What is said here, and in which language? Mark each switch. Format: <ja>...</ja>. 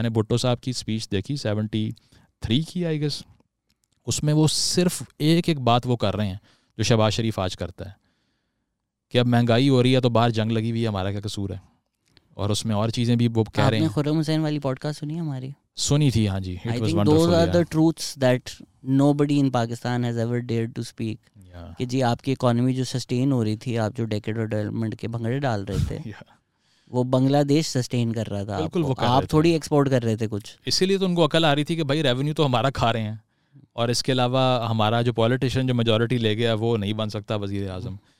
<ur>میں نے بھٹو صاحب کی اسپیچ دیکھی 73 کی</ur> <en>I guess,</en> <ur>اس میں وہ صرف ایک ایک بات وہ کر رہے ہیں جو شہباز شریف آج کرتا ہے کہ اب مہنگائی ہو رہی ہے تو باہر جنگ لگی ہوئی ہے, ہمارا کیا قصور ہے, اور اس میں اور چیزیں بھی وہ کہہ رہے ہیں. خرم حسین والی پوڈ کاسٹ سنی ہماری؟ سنی تھی, ہاں جی.</ur> <en>Those are the truths that nobody in Pakistan has ever dared to speak.</en> <ur>کہ جی آپ کی اکانومی جو سسٹین ہو رہی تھی, آپ جو ڈیکیڈ آف ڈیولپمنٹ کے بھنگڑے ڈال رہے تھے, وہ بنگلہ دیش سسٹین کر رہا تھا, آپ تھوڑی ایکسپورٹ کر رہے تھے کچھ. اسی لیے تو ان کو عقل آ رہی تھی کہ بھائی ریونیو تو ہمارا کھا رہے ہیں, اور اس کے علاوہ ہمارا جو پولیٹیشین جو میجورٹی لے گیا وہ نہیں بن سکتا وزیر اعظم,</ur>